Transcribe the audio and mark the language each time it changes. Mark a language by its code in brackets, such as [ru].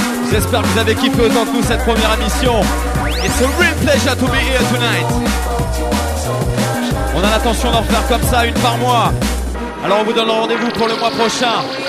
[fr] J'espère que vous avez kiffé autant que nous cette première émission. [en] It's a real pleasure to be here tonight. [fr] On a l'intention d'en faire comme ça une par mois. Alors on vous donne rendez-vous pour le mois prochain.